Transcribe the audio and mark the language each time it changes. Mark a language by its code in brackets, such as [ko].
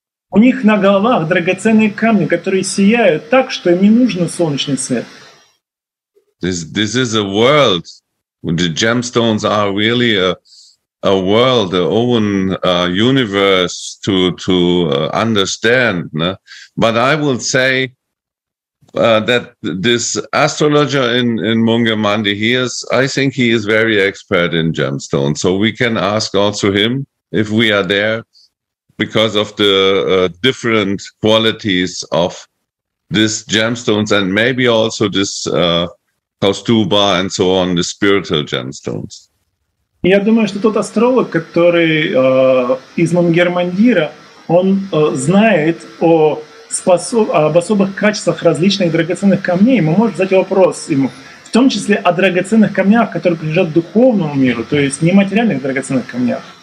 [ru] У них на головах драгоценные камни, которые сияют так, что им не нужен солнечный свет. [en] This is a world. The gemstones are really a world, a own universe to understand. No? But I will say that this astrologer in Mungamandi, I think he is very expert in gemstones. So we can ask also him if we are there. Because of the different qualities of these gemstones, and maybe also this Kaustubha and so on, the spiritual gemstones. [ru] Я думаю, что тот астролог, который из Мангермандира, он знает о об особых качествах различных драгоценных камней. Мы можем задать вопрос ему, в том числе о драгоценных камнях, которые принадлежат духовному миру, то есть нематериальных драгоценных камнях.